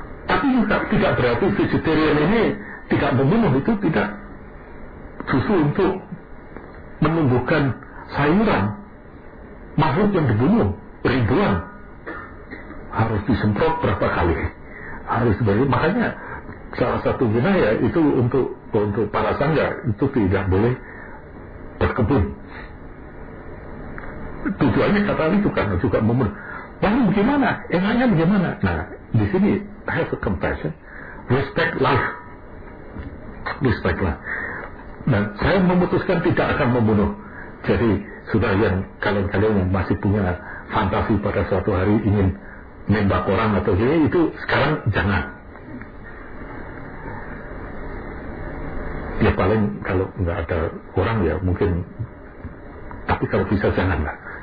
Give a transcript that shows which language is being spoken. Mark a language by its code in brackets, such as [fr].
[id] Tapi juga tidak berarti vegetarian ini tidak membunuh, itu tidak, justru untuk menumbuhkan sayuran, makhluk yang dibunuh ribuan harus disemprot berapa kali, harus beri. Makanya salah satu wilayah itu untuk para sangga itu tidak boleh berkebun. Tujuannya kata itu karena juga membunuh. Lalu bagaimana? Enaknya bagaimana? Nah, di sini [en] have a compassion, respect life, respect life. [id] Nah, saya memutuskan tidak akan membunuh. Jadi sudah yang kalian-kalian yang masih punya fantasi pada suatu hari ingin nembak orang atau gini, itu sekarang jangan. Ya paling kalau nggak ada orang ya mungkin, tapi kalau bisa jangan lah.